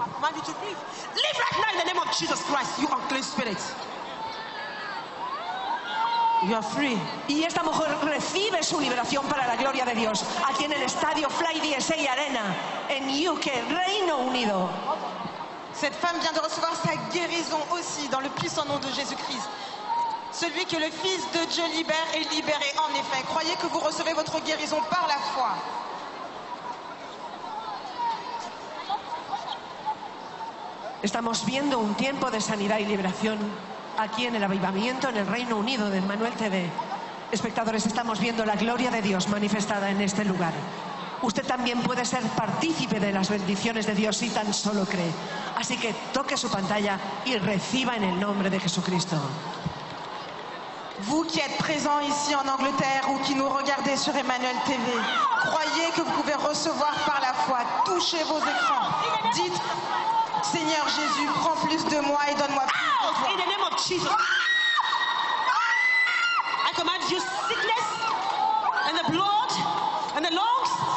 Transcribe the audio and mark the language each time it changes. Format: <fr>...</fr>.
<en>Leave right now in the name of Jesus Christ, you unclean spirit. You are free.</en> <es>Y esta mujer recibe su liberación para la gloria de Dios aquí en el estadio Fly DSA Arena en UK, Reino Unido.</es> <fr>Cette femme vient de recevoir sa guérison aussi dans le puissant nom de Jésus-Christ. Celui que le Fils de Dieu libère est libéré en effet. Croyez que vous recevez votre guérison par la foi.</fr> <es>Estamos viendo un tiempo de sanidad y liberación aquí en el avivamiento en el Reino Unido de Emmanuel TV. Espectadores, estamos viendo la gloria de Dios manifestada en este lugar. Usted también puede ser partícipe de las bendiciones de Dios si tan solo cree. Así que toque su pantalla y reciba en el nombre de Jesucristo.</es> <fr>Vous qui êtes présents ici en Angleterre ou qui nous regardez sur Emmanuel TV, croyez que vous pouvez recevoir par la foi. Touchez vos écrans. Dites, Seigneur Jésus, prends plus de moi et donne-moi plus de toi.</fr> <en>In the name of Jesus. I command you sickness and the blood and the lungs.</en>